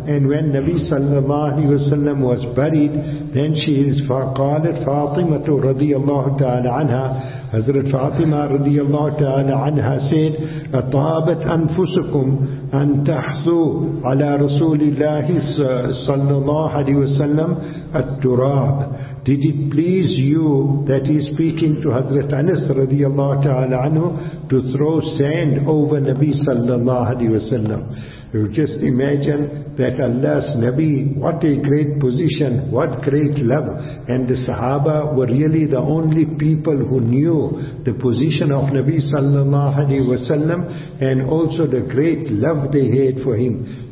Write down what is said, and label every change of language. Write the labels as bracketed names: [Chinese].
[English] And when Nabi sallallahu alayhi wa sallam was buried, then she is [Arabic] فَقَالَتْ فَاطِمَةُ رَضِيَ اللَّهُ تَعَالَى عَنْهَا. Hazrat Fatima رَضِيَ اللَّهُ تَعَالَى عَنْهَا said, أَطَابَتْ أَنفُسُكُمْ أَن تَحْثُوا عَلَى رَسُولِ اللَّهِ صَلَّى اللَّهُ عَلَيْهِ وَسَلَّمَ التُّرَابِ. [English] Did it please you, that he is speaking to Hazrat Anas radiyallahu ta'ala anhu, to throw sand over Nabi sallallahu alayhi wa sallam? You just imagine that Allah's Nabi, what a great position, what great love. And the Sahaba were really the only people who knew the position of Nabi sallallahu alayhi wa sallam, and also the great love they had for him.